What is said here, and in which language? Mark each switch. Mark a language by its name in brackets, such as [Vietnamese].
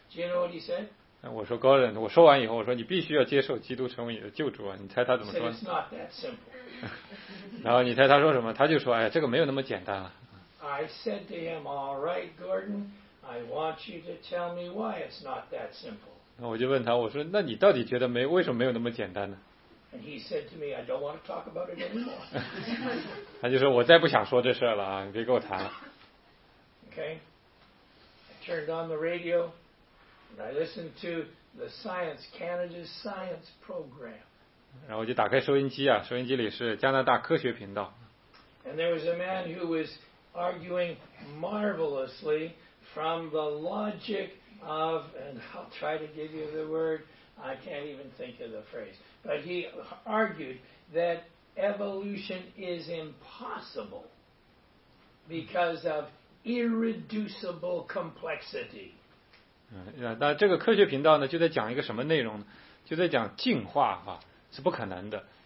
[English] Do you know what he said? [Chinese] 我说高人，我说完以后，我说你必须要接受基督成为你的救主啊！你猜他怎么说？ [English] It's not that simple. [Chinese] 然后你猜他说什么？他就说：“哎，这个没有那么简单了。” [English] I said to him, "All right, Gordon, I want you to tell me why it's not that simple." [Chinese] 那我就问他，我说：“那你到底觉得没为什么没有那么简单呢？” [English] And he said to me, "I don't want to talk about it anymore." [Chinese] 他就说：“我再不想说这事了啊，你别跟我谈了。” [English] Okay, I turned on the radio. I listened to the Science Canada's Science Program. [Chinese] 然后我就打开收音机啊，收音机里是加拿大科学频道。 [English] And there was a man who was arguing marvelously from the logic of, and I'll try to give you the word, I can't even think of the phrase, but he argued that evolution is impossible because of irreducible complexity. [Chinese] 那这个科学频道呢就在讲一个什么内容呢，就在讲进化啊是不可能的。